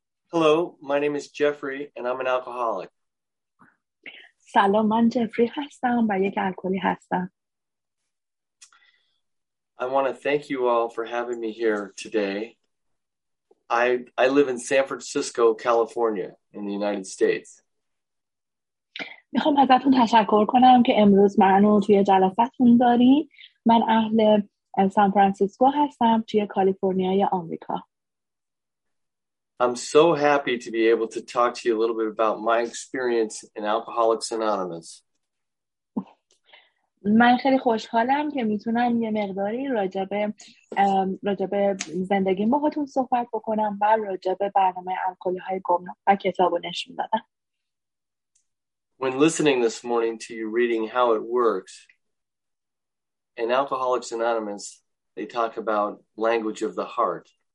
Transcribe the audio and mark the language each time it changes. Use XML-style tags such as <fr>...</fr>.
<en>Hello, my name is Jeffrey and I'm an alcoholic.</en> <fa>سلام، من جفری هستم و یک الکلی هستم.</fa> <en>I want to thank you all for having me here today. I live in San Francisco, California in the United States.</en> <fa>میخوام ازتون تشکر کنم که امروز منو توی جلسه‌تون دارین. من اهل سان فرانسیسکو هستم توی کالیفرنیای آمریکا.</fa> <en>I'm so happy to be able to talk to you a little bit about my experience in Alcoholics Anonymous.</en> <fa>من خیلی خوشحالم که میتونم یه مقداری راجبه زندگی ما باهاتون صحبت بکنم و راجبه برنامه الکلی‌های گمنام و کتابو نشون بدم.</fa> <en>When listening this morning to you reading how it works, in Alcoholics Anonymous, they talk about language of the heart.</en>